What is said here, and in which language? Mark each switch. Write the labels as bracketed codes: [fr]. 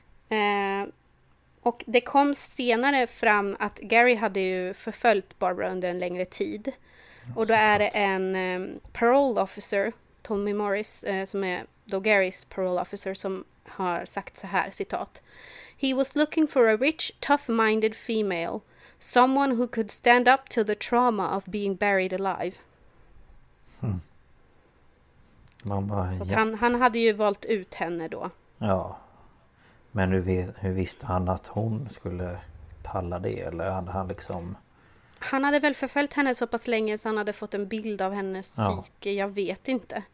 [sv] Mm. Och det kom senare fram att Gary hade ju förföljt Barbara under en längre tid. Och då är det en parole officer, Tommy Morris, som är då Garys parole officer, som har sagt så här, citat. [en] He was looking for a rich, tough-minded female. Someone who could stand up to the trauma of being buried alive. [sv] Hmm. Man bara, så han hade ju valt ut henne då. Ja. Men hur visste han att hon skulle palla det? Eller hade han liksom... Han hade väl förföljt henne så pass länge så han hade fått en bild av hennes psyke. Jag vet inte.